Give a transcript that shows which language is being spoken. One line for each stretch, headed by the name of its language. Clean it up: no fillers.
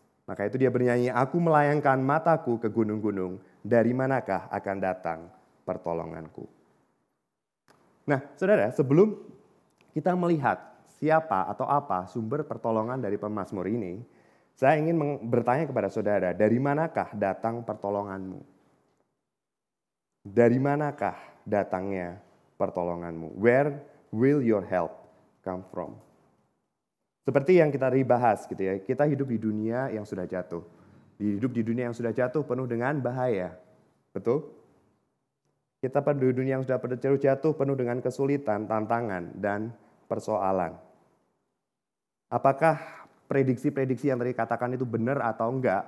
Indonesian: Maka itu dia bernyanyi, aku melayangkan mataku ke gunung-gunung, dari manakah akan datang pertolonganku. Nah, saudara, sebelum kita melihat siapa atau apa sumber pertolongan dari pemazmur ini, saya ingin bertanya kepada saudara, dari manakah datang pertolonganmu? Dari manakah datangnya pertolonganmu?
English: Where will your help come from?
Indonesian: Seperti yang kita tadi bahas gitu ya, kita hidup di dunia yang sudah jatuh. Hidup di dunia yang sudah jatuh penuh dengan bahaya. Betul? Kita di dunia yang sudah jatuh penuh dengan kesulitan, tantangan, dan persoalan. Apakah prediksi-prediksi yang tadi katakan itu benar atau enggak?